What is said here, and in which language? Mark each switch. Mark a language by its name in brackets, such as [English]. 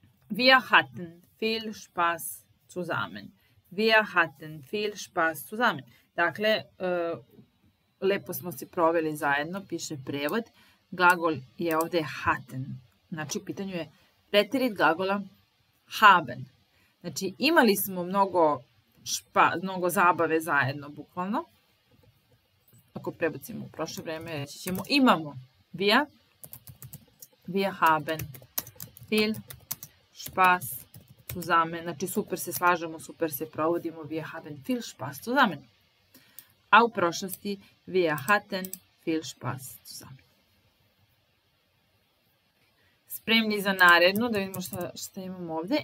[German] Wir hatten viel Spaß zusammen. Wir hatten viel Spaß zusammen. [Serbian] Dakle, lepo smo se proveli zajedno, piše prevod. Glagol je ovde hatten. Znači, u pitanju je preterit glagola haben. Znači, imali smo mnogo, mnogo zabave zajedno, bukvalno. Ako prebacimo u prošle vreme, reći ćemo imamo. [German] Wir haben viel Spaß zusammen. [Serbian] Znači, super se slažemo, super se provodimo. [German] Wir haben viel Spaß zusammen. [Serbian] A u prošlosti, [German] wir hatten viel Spaß zusammen. [Serbian] Spremni za narednu, da vidimo šta imamo ovde.